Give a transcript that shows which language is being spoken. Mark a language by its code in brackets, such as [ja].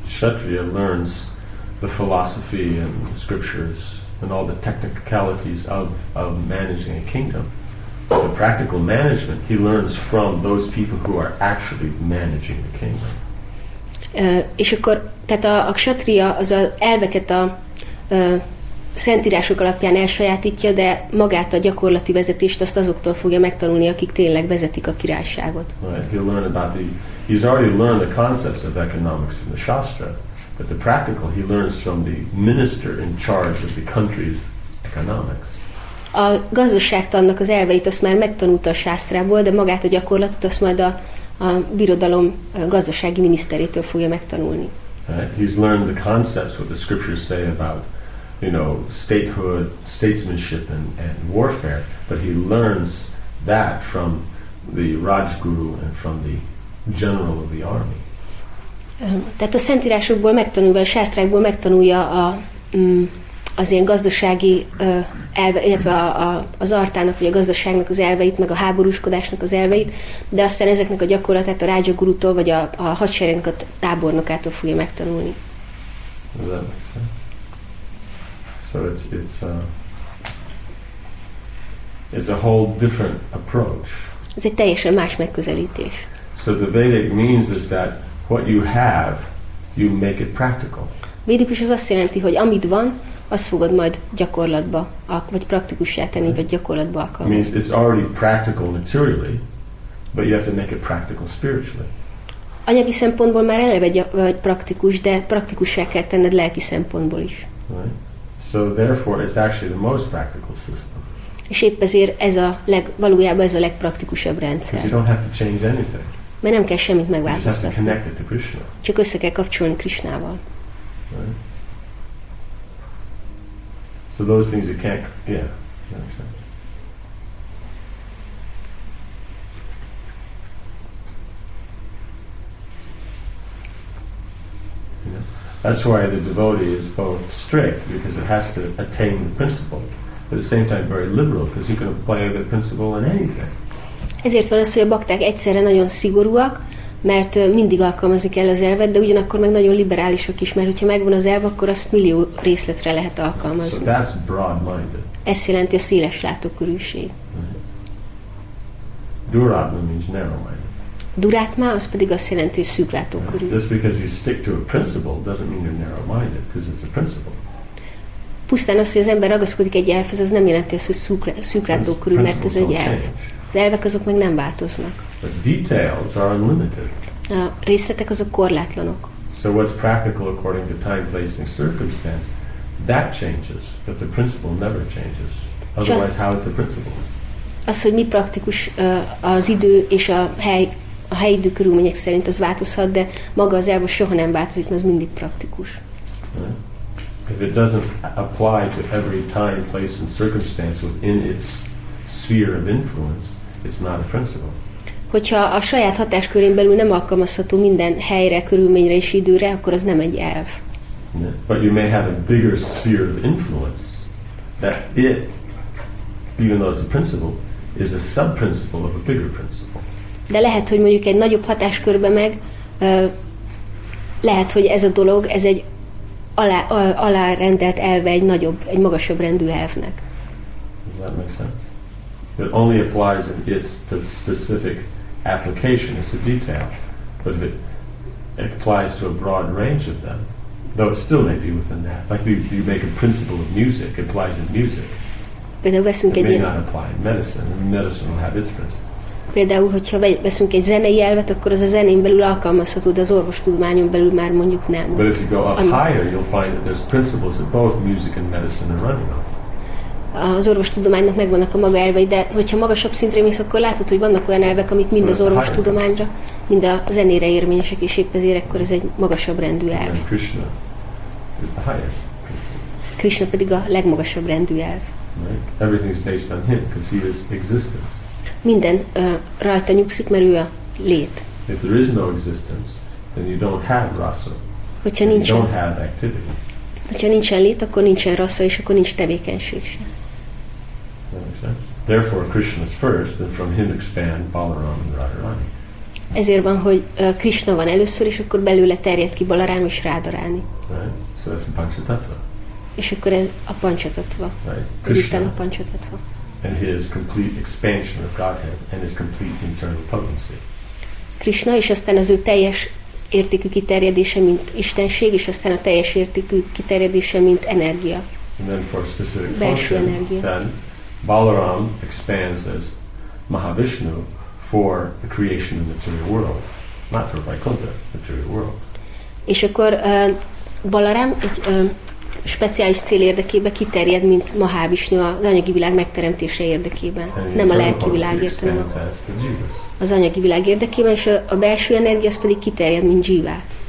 [en] Kshatriya learns the philosophy and the scriptures and all the technicalities of managing a kingdom. The practical management he learns from those people who are actually managing the kingdom. [hu] És akkor, tehát a kshatriya az a elveket a szentírások alapján elsajátítja, de magát a gyakorlati vezetést azt azoktól fogja megtanulni, akik tényleg vezetik a királyságot. [en] Right. He'll learn about he's already learned the concepts of economics from the Shastra, but the practical he learns from the minister in charge of the country's economics. [hu] A gazdaságtannak az elveit azt már megtanulta a Shastrából, de magát a gyakorlatot azt majd a birodalom gazdasági miniszterétől fogja megtanulni. [en] Right. He's learned the concepts what the scriptures say about, you know, statehood, statesmanship and warfare, but he learns that from the Rajguru and from the general of the army. [hu] Tehát a szentírásokból megtanulva, a sásztrákból megtanulja az ilyen gazdasági elve, illetve az artának, vagy a gazdaságnak az elveit, meg a háborúskodásnak az elveit, de aztán ezeknek a gyakorlatát a Rajagurutól, vagy a hadseregnek a tábornokától fogja megtanulni. [en] So it's a whole different approach. [hu] Ez egy teljesen más megközelítés. [en] So the Vedic means is that what you have, you make it practical. [hu] Védikus az azt jelenti, hogy amit van, azt fogod majd gyakorlatba, vagy praktikussá tenni, vagy gyakorlatba alkalmazni. [en] Means it's already practical materially, but you have to make it practical spiritually. [hu] Anyagi szempontból már eleve vagy praktikus, de praktikussá kell tenned lelki szempontból is. [en] Right. So therefore it's actually the most practical system. [hu] És épp ezért ez a valójában ez a legpraktikusabb rendszer. [en] Because you don't have to change anything. [hu] Mert nem kell semmit megváltoztatni. [en] You just have to connect it to Krishna. [hu] Csak össze kell kapcsolni Krishnával. [en] Right. So those things you can't, yeah, that makes sense. That's why the devotee is both strict because it has to attain the principle, but at the same time very liberal because you can apply the principle in anything. [hu] Ezért van az, hogy a bakták egyszerre nagyon szigorúak, mert mindig alkalmazni kell az elvet, de ugyanakkor meg nagyon liberálisak is, mert hogyha megvan az elv, akkor azt millió részletre lehet alkalmazni. [en] So that's broad-minded. [hu] Ez jelenti a széles látókörűség. [en] Duratma means narrow-minded. [hu] Durátma az pedig azt jelenti, hogy szűklátókörű. [en] Just because you stick to a principle doesn't mean you're narrow-minded, because it's a principle. [hu] Pusztán az, hogy az ember ragaszkodik egy elvhez, az nem jelenti azt, hogy szűklátókörű, mert ez egy elv. Az elvek azok meg nem változnak. [en] But details are unlimited. [hu] A részletek azok korlátlanok. [en] So what's practical according to time, place, and circumstance, that changes, but the principle never changes. Otherwise, how it's a principle? [hu] Az, hogy mi praktikus az idő és a hely, a helyi idő körülmények szerint az változhat, de maga az elv soha nem változik, mert az mindig praktikus. [en] If it doesn't apply to every time, place and circumstance within its sphere of influence, it's not a principle. [hu] Hogyha a saját hatáskörén belül nem alkalmazható minden helyre, körülményre és időre, akkor az nem egy elv. [en] But you may have a bigger sphere of influence that it, even though it's a principle, is a sub-principle of a bigger principle. [hu] De lehet, hogy mondjuk egy nagyobb hatáskörbe meg lehet, hogy ez a dolog, ez egy alárendelt elve egy nagyobb, egy magasabb rendű elvnek. [en] Does that make sense? It only applies in its specific application, it's a detail, but if it applies to a broad range of them, though it still may be within that. Like you make a principle of music, it applies in music. It may not apply in medicine. Medicine will have its principle. [hu] Például, hogyha veszünk egy zenei elvet, akkor az a zenén belül alkalmazható, de az orvostudományon belül már mondjuk nem. [en] But if you go up higher, you'll find that there's principles that both music and medicine are running on. [hu] Az orvostudománynak megvannak a maga elvei, de hogyha magasabb szintre mész, akkor látod, hogy vannak olyan elvek, amik mind az orvostudományra, mind a zenére érvényesek, és épp ezért akkor ez egy magasabb rendű elv. [en] And Krishna is the highest principle. [hu] Krishna pedig a legmagasabb rendű elv. [en] Right. Everything is based on him, because he is existence. [hu] Minden rajta nyugszik, mert ő a lét. [en] If there is no existence, then you don't have rasa. [hu] Hogyha nincsen, [en] you don't have activity. [hu] Hogyha nincsen lét, akkor nincsen rasa, és akkor nincs tevékenység sem. [en] Therefore, Krishna is first, and from him expand Balaram and Radharani. [hu] Ezért van, hogy Krishna van először, és akkor belőle terjed ki Balaram és Radharani. [en] Right. So that's a panchatattva. [hu] És akkor ez a panchatattva. [en] Right. Krishna. [hu] A panchatattva. [en] And his complete expansion of Godhead and his complete internal potency. [hu] Krishna és aztán az ő teljes értékű kiterjedése mint istenség és aztán a teljes értékű kiterjedése mint energia. [en] And then for a specific [hu] belső [en] function, [hu] energia. [en] Then Balaram expands as Mahavishnu for the creation of the material world, not for Vaikuntha, material world. [hu] És akkor Balaram egy speciális cél érdekében kiterjed, mint Mahávisnyu az anyagi világ megteremtése érdekében, nem a lelki világ értelemben. Az anyagi világ érdekében, és a belső energia az pedig kiterjed, mint dzsívák.